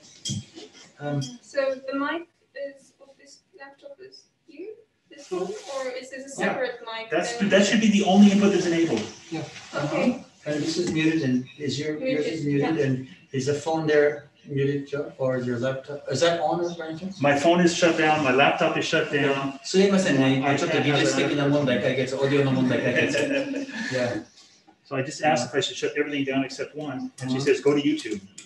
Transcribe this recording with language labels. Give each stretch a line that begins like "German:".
English: So the mic is of this laptop is here, this one, or is this a separate mic? That should be the only input that's enabled. Yeah. Okay. And this is muted, and is yours muted, yeah. And is the phone there muted, or your laptop? Is that on, or anything? My phone is shut down, my laptop is shut down.
Japanese: すいません、ちょっと技術的な問題解決、オーディオの問題解決。
English: So I just asked if I should shut everything down except one, and she says, go to YouTube.